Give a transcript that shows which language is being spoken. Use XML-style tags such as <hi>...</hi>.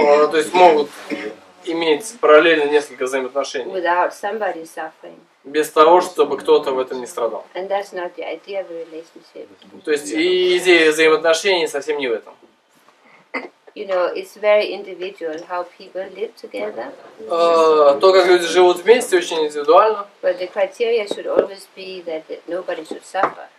<ru>То есть могут иметь параллельно несколько взаимоотношений.</ru> <en>Without somebody suffering.</en> <ru>Без того, чтобы кто-то в этом не страдал.</ru> <en>And that's not the idea of a relationship.</en> <ru>То есть и идея взаимоотношений совсем не в этом.</ru> <en>You know, it's very individual how people live together.</en> <ru>То, как люди живут вместе, очень индивидуально.</ru> <en>But the criteria should always be that nobody should suffer.</en>